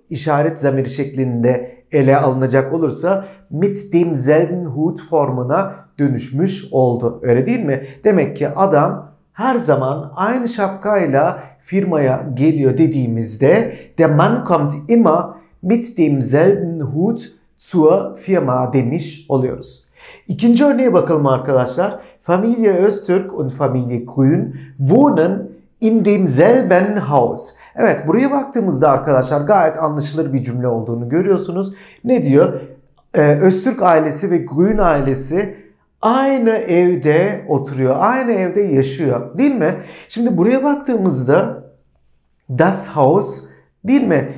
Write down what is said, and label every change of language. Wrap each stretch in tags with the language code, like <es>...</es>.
<tr>İşaret zamiri şeklinde ele alınacak olursa</tr> <de>mit demselben Hut</de> <tr>formuna dönüşmüş oldu. Öyle değil mi? Demek ki adam her zaman aynı şapkayla firmaya geliyor dediğimizde,</tr> <de>der Mann kommt immer mit demselben Hut zur Firma</de> <tr>demiş oluyoruz. İkinci örneğe bakalım arkadaşlar.</tr> <de>Familie Öztürk und Familie Grün wohnen in demselben Haus.</de> <tr>Evet, buraya baktığımızda arkadaşlar gayet anlaşılır bir cümle olduğunu görüyorsunuz. Ne diyor? Öztürk ailesi ve Grün ailesi aynı evde oturuyor, aynı evde yaşıyor, değil mi? Şimdi buraya baktığımızda das Haus, değil mi?</tr>